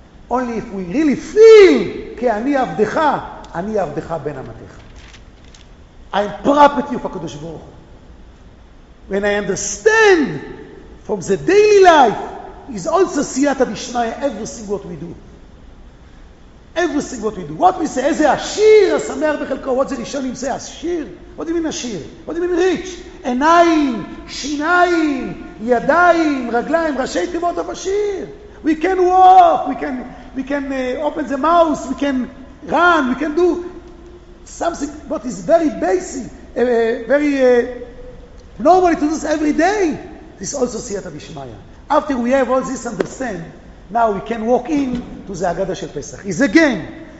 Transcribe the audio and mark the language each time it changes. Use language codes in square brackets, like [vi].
[en] Only if we really feel [he] ke ani avdecha, ani avdecha ben amatecha. [en] I am property of HaKadosh Baruch Hu. When I understand from the daily life, is also siyata dishmaya, everything what we do. Everything what we do. What we say, [he] איזה עשיר, השמח בחלקו. [en] What the Rishonim say, עשיר? What do you mean עשיר? What do you mean rich? [he] עיניים, שיניים, ידיים, רגליים, ראשי תיבות הבשיר. [en] We can walk, we can open the mouth, we can run, we can do something what is very basic, very normally to do every day. This also Siyata Dishmaya. After we have all this understand, now we can walk in to the Agada Shel Pesach. It's a game.